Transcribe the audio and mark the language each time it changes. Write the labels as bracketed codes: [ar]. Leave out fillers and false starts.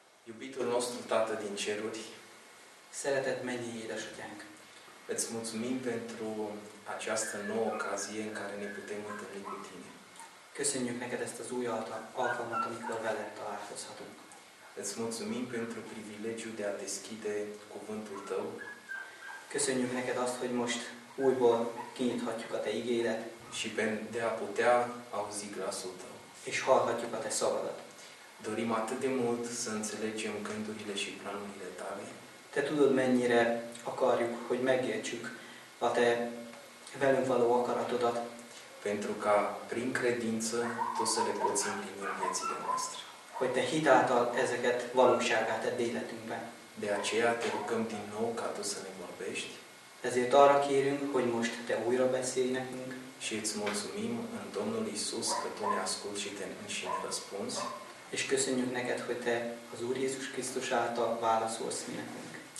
[ro] Iubitul nostru Tată din ceruri, [hu] szeretett mennyei édesatyánk, [ro] îți mulțumim pentru această nouă ocazie în care ne putem întâlni cu tine. [hu] Köszönjük neked ezt az új alkalmat, amikor veled találkozhatunk. [ro] Îți mulțumim pentru privilegiul de a deschide cuvântul tău. [hu] Köszönjük neked azt, hogy most újból kinyithatjuk a te igédet, [ro] și de a putea auzi glasul tău. [hu] És hallhatjuk a te szavadat. [ro] Dorim atât de mult să înțelegem gândurile și planurile tale. [hu] Te tudod, mennyire akarjuk, hogy megértsük a te velünk való akaratodat. [ro] Pentru ca prin credință tu să le poți împlini în viețile noastre. [hu] Hogy te hitáltal ezeket valóságát tedd életünkbe. [ro] De aceea te rugăm din nou ca tu să ne vorbești. [hu] Ezért arra kérünk, hogy most te újra beszélj nekünk. [ro] Și îți mulțumim în Domnul Iisus că tu ne asculti și te înșine răspunzi. [hu] És köszönjük neked, hogy te az Úr Jézus Krisztus által válaszolsz mi nekünk.